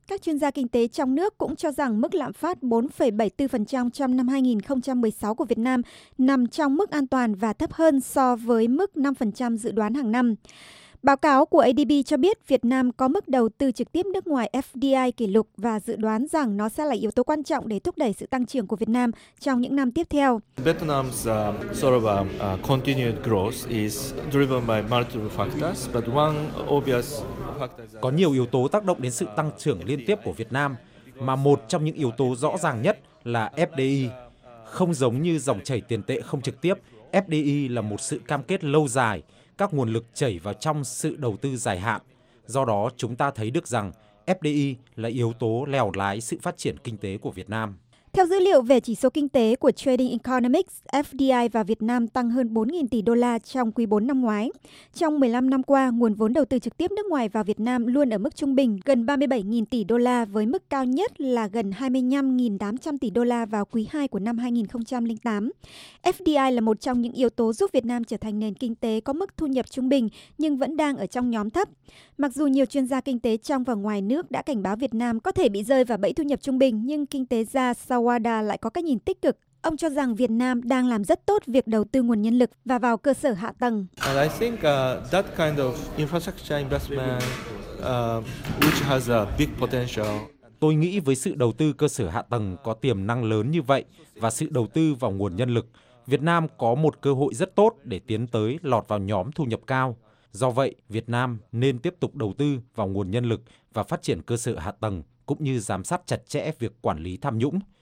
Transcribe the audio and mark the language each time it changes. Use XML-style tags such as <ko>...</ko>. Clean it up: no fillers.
<vi>Các chuyên gia kinh tế trong nước cũng cho rằng mức lạm phát 4,74% trong năm 2016 của Việt Nam nằm trong mức an toàn và thấp hơn so với mức 5% dự đoán hàng năm. Báo cáo của ADB cho biết Việt Nam có mức đầu tư trực tiếp nước ngoài FDI kỷ lục và dự đoán rằng nó sẽ là yếu tố quan trọng để thúc đẩy sự tăng trưởng của Việt Nam trong những năm tiếp theo.</vi> <en>Vietnam's continued growth is driven by multiple factors, but one obvious factor is</en> <vi>có nhiều yếu tố tác động đến sự tăng trưởng liên tiếp của Việt Nam, mà một trong những yếu tố rõ ràng nhất là FDI. Không giống như dòng chảy tiền tệ không trực tiếp, FDI là một sự cam kết lâu dài. Các nguồn lực chảy vào trong sự đầu tư dài hạn. Do đó, chúng ta thấy được rằng FDI là yếu tố lèo lái sự phát triển kinh tế của Việt Nam. Theo dữ liệu về chỉ số kinh tế của Trading Economics, FDI vào Việt Nam tăng hơn 4.000 tỷ đô la trong quý 4 năm ngoái. Trong 15 năm qua, nguồn vốn đầu tư trực tiếp nước ngoài vào Việt Nam luôn ở mức trung bình gần 37.000 tỷ đô la với mức cao nhất là gần 25.800 tỷ đô la vào quý 2 của năm 2008. FDI là một trong những yếu tố giúp Việt Nam trở thành nền kinh tế có mức thu nhập trung bình nhưng vẫn đang ở trong nhóm thấp. Mặc dù nhiều chuyên gia kinh tế trong và ngoài nước đã cảnh báo Việt Nam có thể bị rơi vào bẫy thu nhập trung bình, nhưng kinh tế gia sau Wada lại có cái nhìn tích cực Ông cho rằng Việt Nam đang làm rất tốt việc đầu tư nguồn nhân lực và vào cơ sở hạ tầng.</vi> <en>And I think that kind of infrastructure investment which has a big potential.</en> <vi>Tôi nghĩ với sự đầu tư cơ sở hạ tầng có tiềm năng lớn như vậy và sự đầu tư vào nguồn nhân lực, Việt Nam có một cơ hội rất tốt để tiến tới lọt vào nhóm thu nhập cao. Do vậy, Việt Nam nên tiếp tục đầu tư vào nguồn nhân lực và phát triển cơ sở hạ tầng, cũng như giám sát chặt chẽ việc quản lý tham nhũng.</vi>